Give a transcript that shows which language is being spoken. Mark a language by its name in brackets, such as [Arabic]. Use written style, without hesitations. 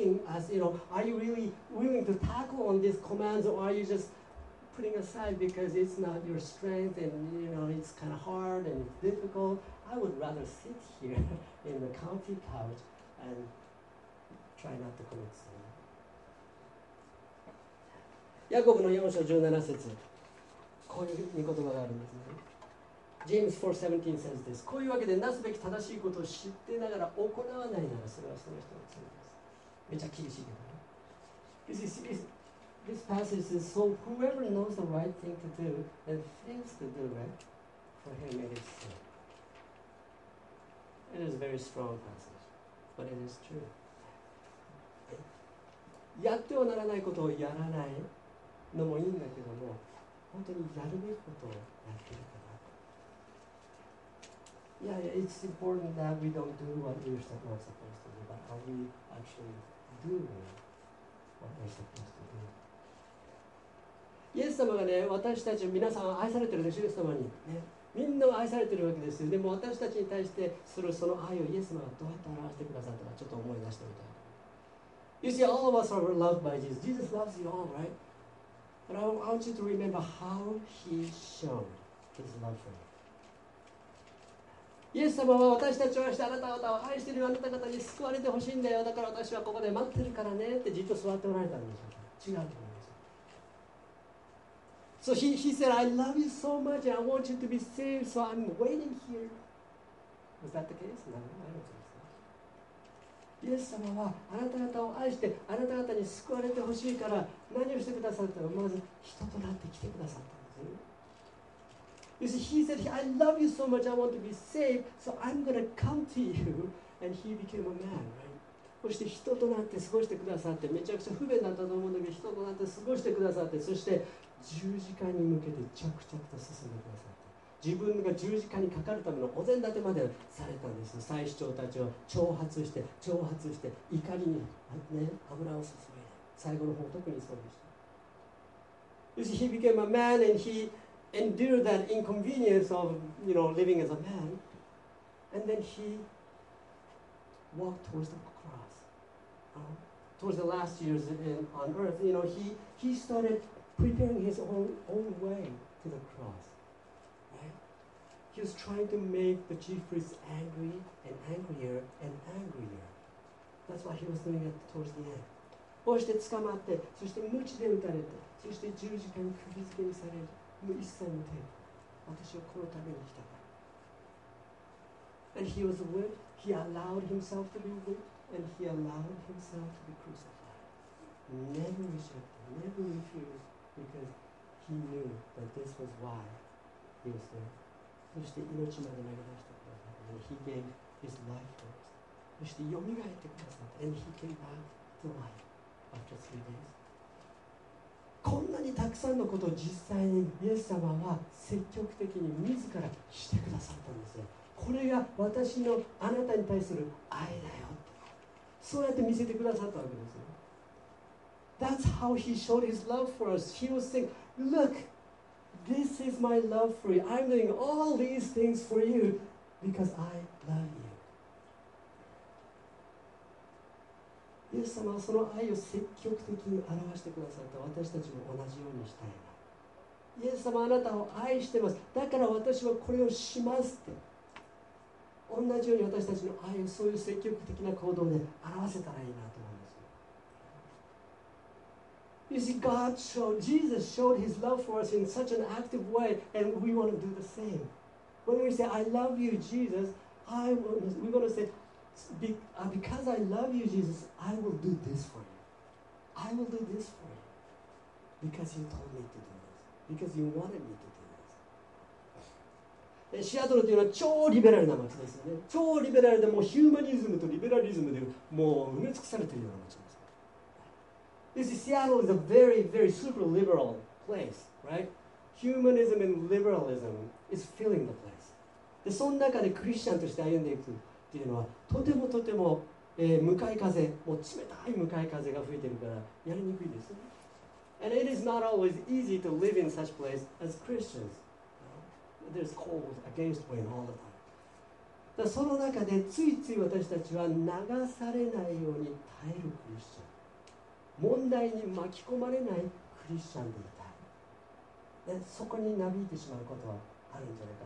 [English] よ。 I think God asking us, you know, are you really willing to tackle on these commands or are you justputting aside because it's not your strength and you know it's kind of hard and difficult. I would rather sit here in the comfy couch and try not to commit sin. [Japanese] ヤコブの4章17節、こういう言葉があるんですね。 [English] James 4:17 says this。 [Japanese] こういうわけで、なすべき正しいことを知ってながら行わないなら、それはその人の罪です。めっちゃ厳しいけどね。 [English] This passage says, so whoever knows the right thing to do and fails to do it, for him it is sin. It is a very strong passage, but it is true. [Japanese] やってはならないことをやらないのもいいんだけども、本当にやるべきことをやってるかな。 [English] Yeah, it's important that we don't do what we're not supposed to do, but are we actually doing what we're supposed to do? [Japanese] イエス様がね、私たち皆さん愛されてるでしょ、イエス様に、ね、みんな愛されてるわけですよ。でも私たちに対してするその愛をイエス様がどうやって表してくださったか、ちょっと思い出してみたい。 [English] You see, all of us are loved by Jesus. Jesus loves you all, right? But I want you to remember how he showed his love for you. [Japanese] イエス様は私たちを愛して、あなた方を愛してる、あなた方に救われてほしいんだよ、だから私はここで待ってるからねってじっと座っておられたんでしょうか。違うと思う。 [English] So he said, I love you so much and I want you to be saved, so I'm waiting here. Was that the case? No, I don't think so. [Japanese] イエス様はあなた方を愛して、あなた方に救われてほしいから、何をしてくださったの？まず人となって来てくださったんですね。 [English] You see, he said, I love you so much, I want to be saved, so I'm going to come to you. And he became a man, right? [Japanese] そして人となって過ごしてくださって、めちゃくちゃ不便だったと思うんだけど、人となって過ごしてくださって、そして、十字架に向けて着々と進んでくださって、自分が十字架にかかるためのお膳立てまでされたんです。祭司長たちを挑発して挑発して怒りに、ね、油を注いで、最後の方特にそうでした。 [English] You see, he became a man and he endured that inconvenience of, you know, living as a man. And then he walked towards the cross, towards the last years on earth. You know, he startedpreparing his own way to the cross, right? He was trying to make the chief priests angry and angrier and angrier. That's what he was doing at towards the end. [Japanese] そして捕まって、そして鞭で打たれて、そして十字架に釘付けにされる、無一切の手で、私はこのために来たから。 [English] And he was whipped, he allowed himself to be whipped, and he allowed himself to be crucified. Never rejected, never refused. Because he knew that this was why he was there. [Japanese] そして命まで投げ出してくださって、 [English] and he gave his life for us. [Japanese] そして蘇ってくださって、 [English] and he came back to life after three days. [Japanese] こんなにたくさんのことを実際にイエス様は積極的に自らしてくださったんですよ。これが私のあなたに対する愛だよって、そうやって見せてくださったわけですよ。 [English] That's how he showed his love for us. He was saying, look, this is my love for you. I'm doing all these things for you because I love you. [Japanese] イエス様はその愛を積極的に表してくださった。私たちも同じようにしたいな。イエス様、あなたを愛してます。だから私はこれをしますって。同じように私たちの愛をそういう積極的な行動で表せたらいいなと。 [English] You see, God showed, Jesus showed his love for us in such an active way, and we want to do the same. When we say, I love you, Jesus, we're going to say, because I love you, Jesus, I will do this for you. I will do this for you. Because you told me to do this. Because you wanted me to do this. [Japanese] シアトルというのは超リベラルな街ですよね。超リベラルで、もうヒューマニズムとリベラリズムでもう埋め尽くされているような街です。 [English] This is Seattle is a very, very super liberal place, right? Humanism and liberalism is filling the place. [Japanese] で、その中でクリスチャンとして歩んでいくっていうのは、とてもとても、向かい風、もう冷たい向かい風が吹いてるから、やりにくいです。 [English] And it is not always easy to live in such place as Christians. There's cold against wind all the time. [Japanese] で、その中でついつい私たちは流されないように耐えるクリスチャン。問題に巻き込まれないクリスチャンでいたい。で、そこになびいてしまうことはあるんじゃないか。